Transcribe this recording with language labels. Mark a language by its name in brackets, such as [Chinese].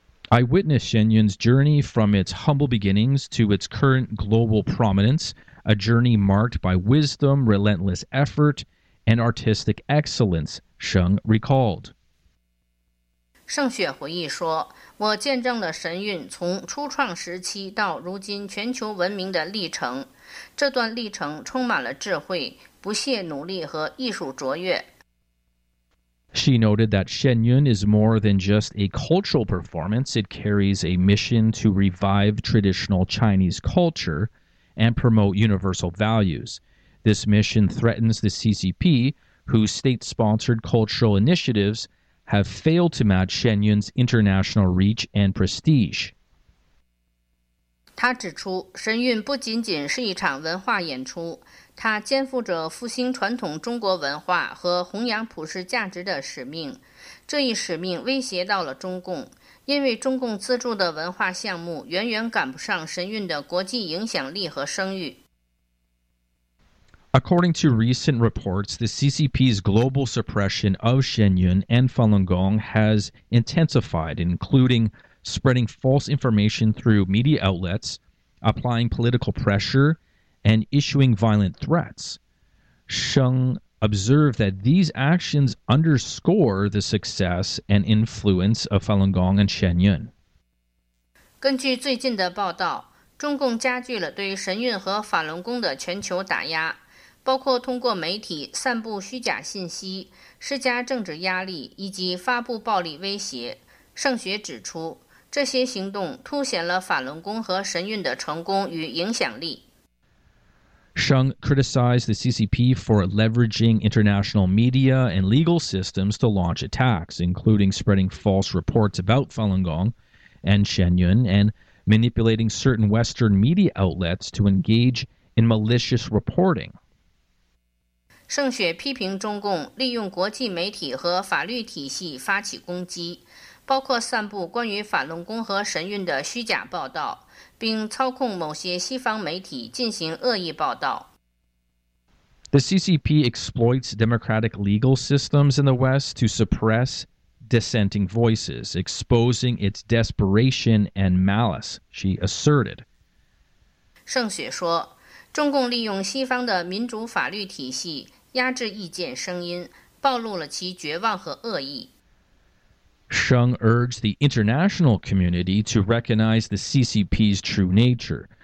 [English] I witnessed Shen Yun's journey from its humble beginnings to its current global prominence, a journey marked by wisdom, relentless effort, and artistic excellence, Sheng recalled. [Chinese] 盛雪回忆说，我见证了神韵从初创时期到如今全球闻名的历程，这段历程充满了智慧、不懈努力和艺术卓越。 [English] She noted that Shen Yun is more than just a cultural performance. It carries a mission to revive traditional Chinese culture and promote universal values. This mission threatens the CCP, whose state-sponsored cultural initiatives have failed to match Shen Yun's international reach and prestige. [Chinese] 他指出，神韵不仅仅是一场文化演出，它肩负着复兴传统中国文化和弘扬普世价值的使命。这一使命威胁到了中共，因为中共资助的文化项目远远赶不上神韵的国际影响力和声誉。 [English] According to recent reports, the CCP's global suppression of Shen Yun and Falun Gong has intensified, including spreading false information through media outlets, applying political pressure, and issuing violent threats. Sheng observed that these actions underscore the success and influence of Falun Gong and Shen Yun. [Chinese] 根据最近的报道，中共加剧了对神韵和法轮功的全球打压，包括通过媒体散布虚假信息，施加政治压力，以及发布暴力威胁。盛雪指出，这些行动凸显了法轮功和神韵的成功与影响力。 [English] Sheng criticized the CCP for leveraging international media and legal systems to launch attacks, including spreading false reports about Falun Gong and Shen Yun, and manipulating certain Western media outlets to engage in malicious reporting. [Chinese] 盛雪批评中共利用国际媒体和法律体系发起攻击，包括散布关于法轮功和神韵的虚假报道，并操控某些西方媒体进行恶意报道。 [English] The CCP exploits democratic legal systems in the West to suppress dissenting voices, exposing its desperation and malice, she asserted. [Chinese] 盛雪说，中共利用西方的民主法律体系压制意见声音，暴露了其绝望和恶意。 [English] Sheng urged the international community to recognize the CCP's true nature.